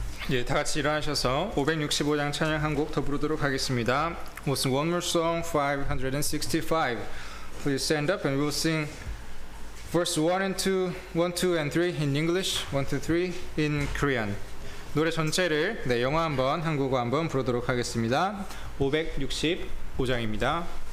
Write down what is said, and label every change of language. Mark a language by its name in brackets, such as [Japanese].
[Korean] 예, 다 같이 일어나셔서 565장 찬양 한 곡 더 부르도록 하겠습니다. [English] We'll sing one more song, 565. Please stand up and we'll sing verse 1, 2, and 3 in English, 1, 2, 3 in Korean. [Korean] 노래 전체를 네, 영어 한번, 한국어 한번 부르도록 하겠습니다. 565장입니다.